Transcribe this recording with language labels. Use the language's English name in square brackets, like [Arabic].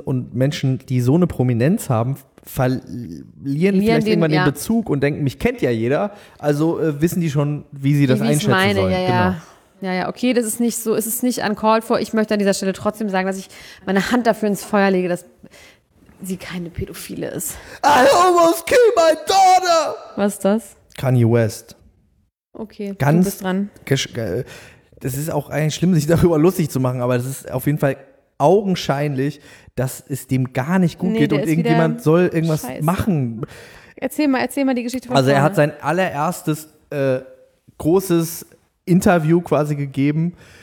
[German] Und Menschen, die so eine Prominenz haben, verlieren vielleicht irgendwann den Bezug und denken, mich kennt ja jeder. Also wissen die schon, wie sie das einschätzen sollen. Ja, ja. Genau. Ja, okay, das ist nicht so, es ist nicht uncalled for. Ich möchte an dieser Stelle trotzdem sagen, dass ich meine Hand dafür ins Feuer lege, dass sie keine Pädophile ist. [English] I almost killed my daughter! [German] Was ist das? Kanye West. Okay, ganz, du bist dran. Das ist auch eigentlich schlimm, sich darüber lustig zu machen, aber das ist auf jeden Fall augenscheinlich, dass es dem gar nicht gut geht und irgendjemand soll irgendwas machen. Erzähl mal die Geschichte von Er hat sein allererstes großes Interview quasi gegeben.